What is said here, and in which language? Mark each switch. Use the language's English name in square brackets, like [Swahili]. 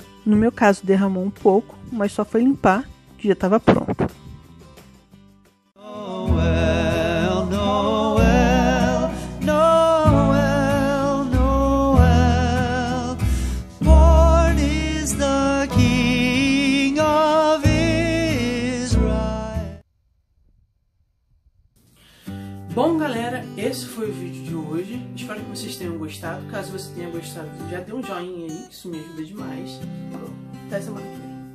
[Portuguese] No meu caso, derramou um pouco, mas só foi limpar que já estava pronto. [English] Noel, Noel, Noel, Noel, born is the King of Israel. [Portuguese] Bom, galera, esse foi o vídeo de hoje. Espero que vocês tenham gostado. Caso você tenha gostado, já dê um joinha aí, isso me ajuda demais. Até semana que vem.